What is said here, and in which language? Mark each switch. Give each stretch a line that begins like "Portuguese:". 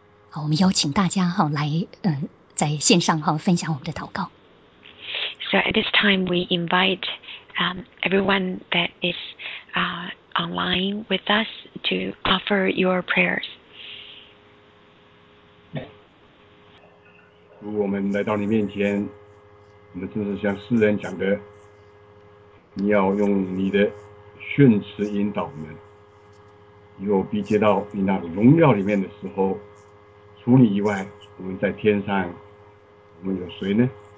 Chinese: 好，我们邀请大家来在线上分享我们的祷告。
English: So at this time, we invite everyone that is online with us to offer your prayers.
Chinese: 我们来到你面前，我们真是像诗人讲的，你要用你的训词引导我们，以我逼接到你那荣耀里面的时候，除你以外，我们在天上我们有谁呢？